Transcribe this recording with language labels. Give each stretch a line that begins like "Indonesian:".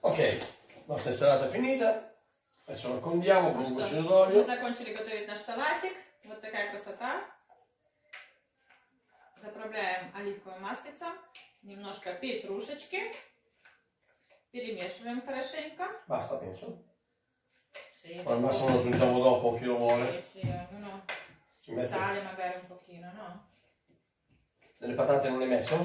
Italian: Ok, la nostra salata è finita. Adesso la condiamo con un goccio d'olio.
Russian: Закончили готовить наш салатик. Вот такая красота. Заправляем оливковое маслице. Немножко петрушечки. Перемешиваем хорошенько.
Italian: Basta, penso. Sì. Poi al massimo lo aggiungiamo dopo, chi lo vuole. Sì, sì, ognuno metto il sale magari un pochino, no? Delle patate non le hai messo?